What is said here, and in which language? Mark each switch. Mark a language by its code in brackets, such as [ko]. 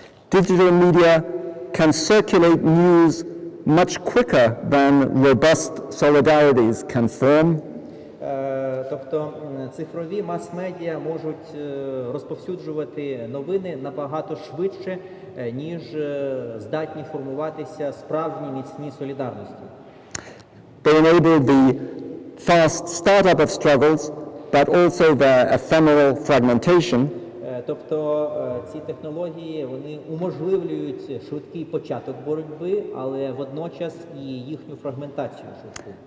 [en] Digital media can circulate news much quicker than robust solidarities can form. [uk] Тобто цифрові мас-медіа можуть розповсюджувати новини набагато швидше, ніж здатні формуватися справжні міцні солідарності. [en] They enable the fast startup of struggles, but also their ephemeral fragmentation. [uk] Тобто ці технології, вони уможливлюють швидкий початок боротьби, але водночас і їхню фрагментацію швидку.